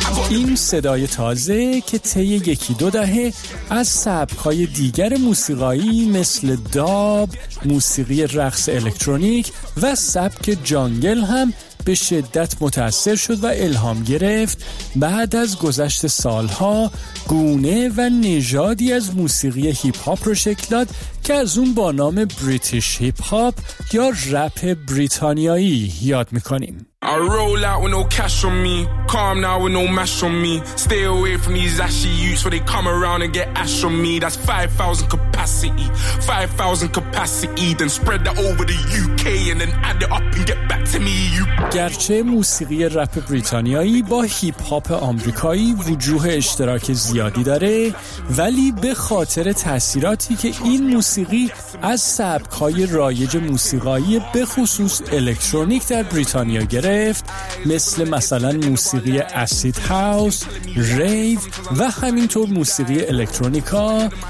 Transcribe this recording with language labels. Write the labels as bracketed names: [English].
[Persian] این صدای تازه که طی یکی دو دهه از سبک‌های دیگر موسیقایی مثل داب، موسیقی رقص الکترونیک و سبک جانگل هم به شدت متاثر شد و الهام گرفت، بعد از گذشت سالها گونه و نژادی از موسیقی هیپ هاپ رو شکل داد که از اون با نام بریتیش هیپ هاپ یا رپ بریتانیایی یاد می‌کنیم. [English] I roll out with no cash on me, calm now with no mash on me. Stay away from these ashy utes where they come around and get ash on me. That's 5,000 capacity, 5,000 capacity. Then spread that over the UK and then add it up and get back to me. [Persian] گرچه موسیقی رپ بریتانیایی با هیپ هاپ آمریکایی وجوه اشتراک زیادی داره، ولی به خاطر تأثیراتی که این موسیقی از سبکای رایج موسیقایی به خصوص الکترونیک در بریتانیا گرفت، مثل مثلا موسیقی اسید هاوس، ریو و همینطور موسیقی الکترونیکا،